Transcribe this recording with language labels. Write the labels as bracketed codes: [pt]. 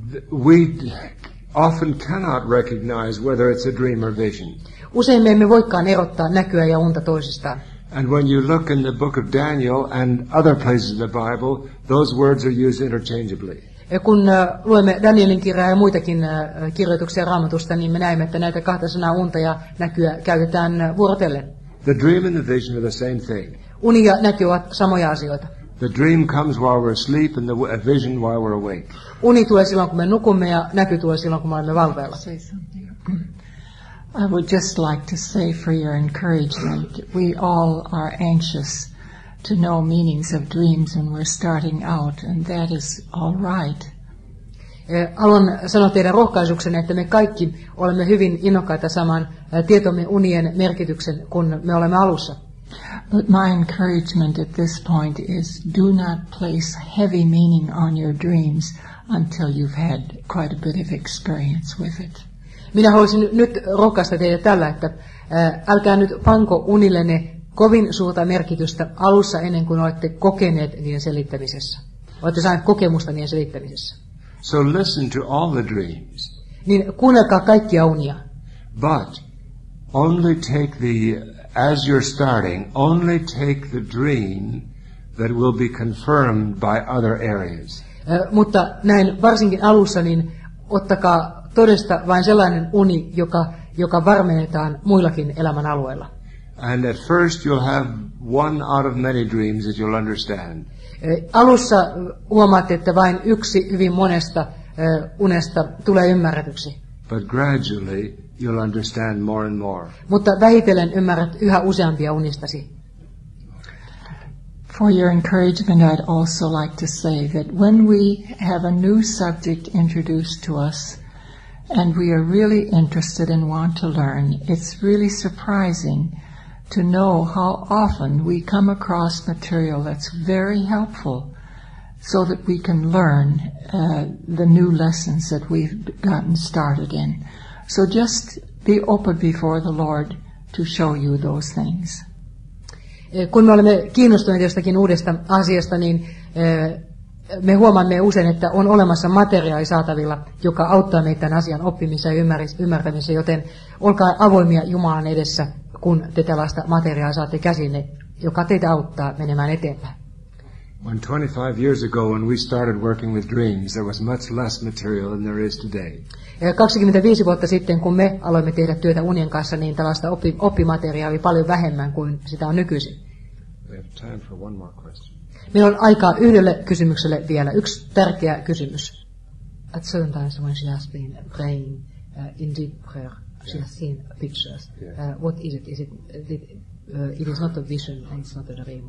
[en] We often cannot recognize whether it's a dream or vision. [fi] Usein me emme voikaan erottaa näkyä ja unta toisistaan. [en] And when you look in the book of Daniel and other places in the Bible, those words are used interchangeably. [fi] Ja kun luemme Danielin kirjaa ja muitakin kirjoituksia Raamatusta, niin me näemme, että näitä kahta sanaa unta ja näkyä käytetään vuorotellen. [en] The dream and the vision are the same thing. [fi] Uni ja näky ovat samoja asioita. [en] The dream comes while we're asleep and the vision while we're awake. [fi] Uni tulee silloin, kun me nukumme, ja näky tulee silloin, kun me olemme valveilla. [en] I would just like to say for your encouragement, we all are anxious to know meanings of dreams when we're starting out, and that is all right. [fi] Haluan sanoa teidän rohkaisuksenne, että me kaikki olemme hyvin innokkaita saamaan tietomme unien merkityksen, kun me olemme alussa. [en] But my encouragement at this point is, do not place heavy meaning on your dreams until you've had quite a bit of experience with it. [fi] Minä haluaisin nyt rohkaista teitä tällä, että älkää nyt panko unillenne kovin suurta merkitystä alussa ennen kuin olette kokeneet niiden selittämisessä. Olette saaneet kokemusta niiden selittämisessä. [en] So listen to all the dreams. [fi] Niin kuunnelkaa kaikkia unia. [en] But only take the, as you're starting, only take the dream that will be confirmed by other areas. [fi] Mutta näin varsinkin alussa, niin ottakaa todesta vain sellainen uni, joka varmennetaan muillakin elämän alueilla. [en] And at first you'll have one out of many dreams that you'll understand. [fi] Alussa huomaatte, että vain yksi hyvin monesta unesta tulee ymmärretyksi. [en] But gradually you'll understand more and more. [fi] Mutta vähitellen ymmärrät yhä useampia unistasi. [en] For your encouragement, I'd also like to say that when we have a new subject introduced to us, and we are really interested and want to learn, it's really surprising to know how often we come across material that's very helpful so that we can learn the new lessons that we've gotten started in. So just be open before the Lord to show you those things. [fi] Kun me olemme kiinnostuneet jostakin uudesta asiasta, niin me huomaamme usein, että on olemassa materiaali saatavilla, joka auttaa meitä tämän asian oppimisessa ja ymmärtämisessä, joten olkaa avoimia Jumalan edessä, kun te tällaista materiaalia saatte käsinne, joka teitä auttaa menemään eteenpäin. [en] When 25 years ago, when we started working with dreams, there was much less material than there is today. [fi] 25 vuotta sitten, kun me aloimme tehdä työtä unien kanssa, niin tällaista oppimateriaalia oli paljon vähemmän kuin sitä on nykyisin. [en] We have time for one more question. [fi] Meillä on aikaa yhdelle kysymykselle vielä. Yksi tärkeä kysymys. [en] At certain times when she has been praying in deep prayer, she has seen pictures. Yes. What is it? Is it, it is not a vision and it's not a dream.